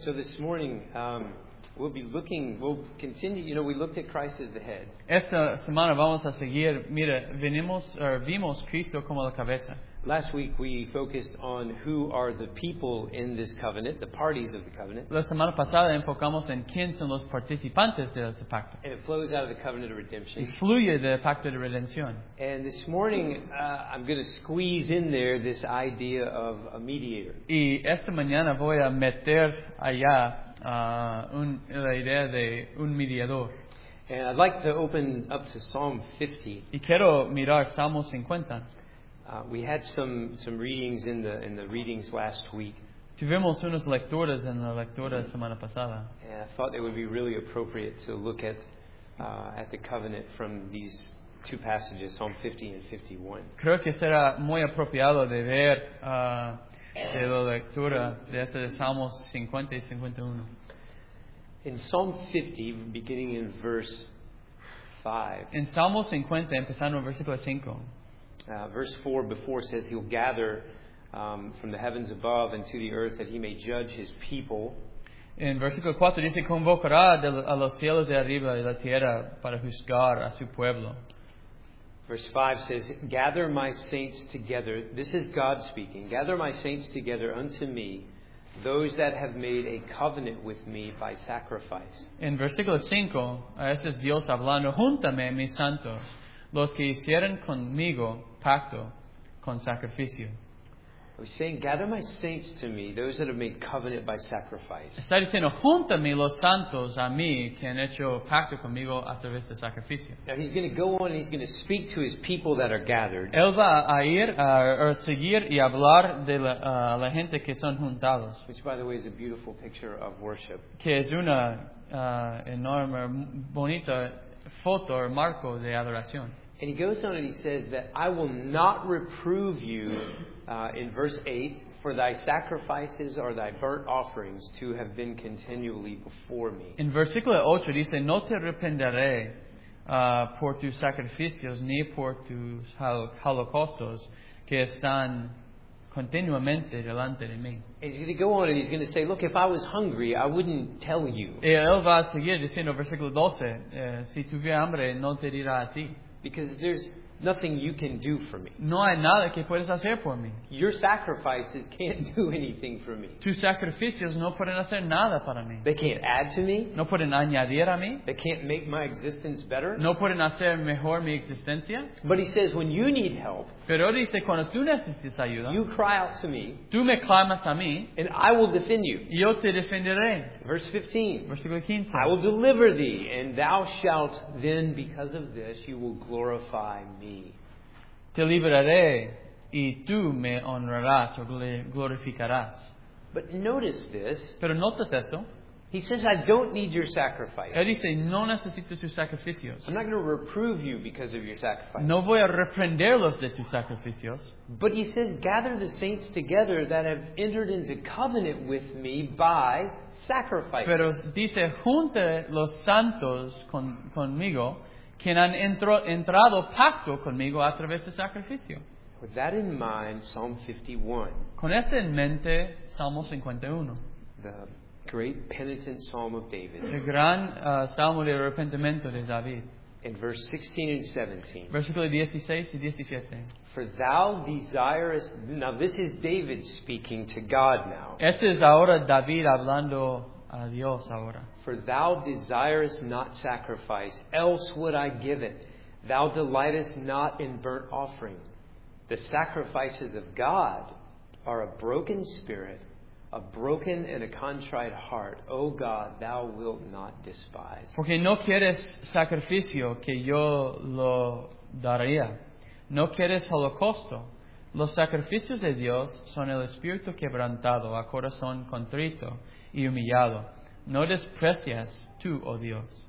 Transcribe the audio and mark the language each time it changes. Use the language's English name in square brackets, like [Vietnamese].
[English] So this morning, we'll continue. You know, we looked at Christ as the head. [Spanish] Esta semana vamos a seguir. Mira, vimos Cristo como la cabeza. [English] Last week we focused on who are the people in this covenant, the parties of the covenant. [Spanish] La semana pasada enfocamos en quién son los participantes de este pacto. [English] And it flows out of the covenant of redemption. [Spanish] Y fluye del pacto de redención. [English] And this morning I'm going to squeeze in there this idea of a mediator. [Spanish] Y esta mañana voy a meter allá la idea de un mediador. [English] And I'd like to open up to Psalm 50. [Spanish] Y quiero mirar Salmo 50. [English] We had some readings in the readings last week. [Spanish] Tuvimos unas lecturas en la lectura la semana pasada. [English] And I thought it would be really appropriate to look at the covenant from these two passages, Psalm 50 and 51. [Spanish] Creo que será muy apropiado de ver de la lectura de este de Salmos 50 y 51. [English] In Psalm 50, beginning in verse 5. [Spanish] En Salmo 50, empezando en versículo 5. [English] Verse 4 before says he'll gather from the heavens above and to the earth that he may judge his people. [Spanish] En versículo 4 dice convocará a los cielos de arriba y la tierra para juzgar a su pueblo. [English] Verse 5 says gather my saints together. This is God speaking. Gather my saints together unto me, those that have made a covenant with me by sacrifice. [Spanish] En versículo 5 ese es Dios hablando, júntame mis santos, los que hicieron conmigo pacto con sacrificio. [English] He's saying, gather my saints to me, those that have made covenant by sacrifice. [Spanish] Está diciendo, júntame los santos a mí que han hecho pacto conmigo a través de sacrificio. [English] Now he's going to go on and he's going to speak to his people that are gathered. [Spanish] Él va a ir a seguir y hablar de la gente que son juntados. [English] Which, by the way, is a beautiful picture of worship. [Spanish] Que es una enorme, bonita foto o marco de adoración. [English] And he goes on and he says that I will not reprove you in verse 8 for thy sacrifices or thy burnt offerings to have been continually before me. [Spanish] En versículo 8 dice no te arrependeré por tus sacrificios ni por tus holocaustos que están continuamente delante de mí. [English] And he's going to go on and he's going to say, look, if I was hungry, I wouldn't tell you. [Spanish] Y él va a seguir diciendo, versículo 12, si tuviera hambre, no te dirá a ti. [English] Because there's nothing you can do for me. [Spanish] No hay nada que puedes hacer por mí. [English] Your sacrifices can't do anything for me. [Spanish] Tus sacrificios no pueden hacer nada para mí. [English] They can't add to me. [Spanish] No pueden añadir a mí. [English] They can't make my existence better. [Spanish] No pueden hacer mejor mi existencia. [English] But he says, when you need help, [Spanish] pero dice, cuando tú necesitas ayuda, [English] you cry out to me, [Spanish] tú me clamas a mí, [English] and I will defend you. [Spanish] Yo te defenderé. [English] Verse 15. [Spanish] Versículo 15. [English] I will deliver thee, and thou shalt then, because of this, you will glorify me. [Spanish] Te liberaré y tú me honrarás o glorificarás. [English] But notice this. [Spanish] Pero notas esto. [English] He says, I don't need your sacrifice. [Spanish] Él dice, no necesito tus sacrificios. [English] I'm not going to reprove you because of your sacrifice. [Spanish] No voy a reprenderlos de tus sacrificios. [English] But he says, gather the saints together that have entered into covenant with me by sacrifice. [Spanish] Pero dice, junte los santos conmigo quien han entrado pacto conmigo a través de sacrificio. [English] With that in mind, Psalm 51. [Spanish] Con esto en mente, Salmo 51. [English] The great penitent psalm of David. [Spanish] El gran salmo de arrepentimiento de David. [English] In verse 16 and 17. [Spanish] Versículo 16 y 17. [English] For thou desirest. Now this is David speaking to God now. [Spanish] Este es ahora David hablando a Dios ahora. [English] For thou desirest not sacrifice, else would I give it. Thou delightest not in burnt offering. The sacrifices of God are a broken spirit, a broken and a contrite heart. O God, thou wilt not despise. [Spanish] Porque no quieres sacrificio que yo lo daría. No quieres holocausto. Los sacrificios de Dios son el espíritu quebrantado, a corazón contrito y humillado. No desprecias tú, oh Dios.